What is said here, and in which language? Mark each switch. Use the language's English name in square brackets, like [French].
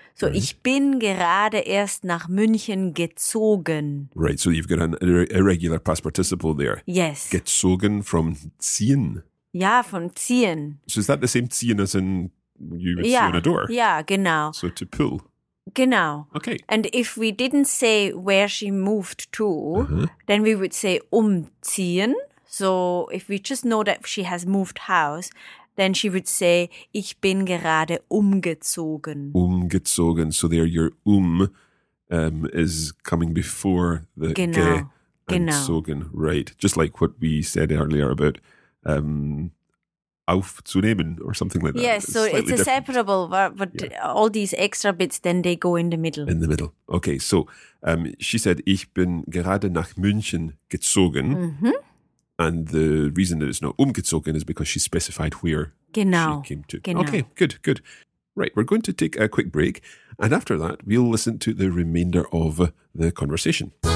[English] So right. [German] Ich bin gerade erst nach München gezogen. [English] Right, so you've got an irregular past participle there. Yes. [German] Gezogen from ziehen. Ja, from ziehen. [English] So is that the same ziehen as in you would see on a door? Yeah, [German] genau. [English] So to pull. [German] Genau. [English] Okay. And if we didn't say where she moved to, then we would say umziehen. So if we just know that she has moved house, then she would say, [German] ich bin gerade umgezogen. [English] Umgezogen. So there your is coming before the [German] gezogen. [English] Right. Just like what we said earlier about aufzunehmen or something like that. Yes, so it's a separable verb, but all these extra bits, then they go in the middle. In the middle. Okay, so she said, [German] ich bin gerade nach München gezogen. Mm-hmm. [English] And the reason that it's not umgezogen is because she specified where she came to. [German] Genau. [English] Okay, good. Right, we're going to take a quick break. And after that, we'll listen to the remainder of the conversation.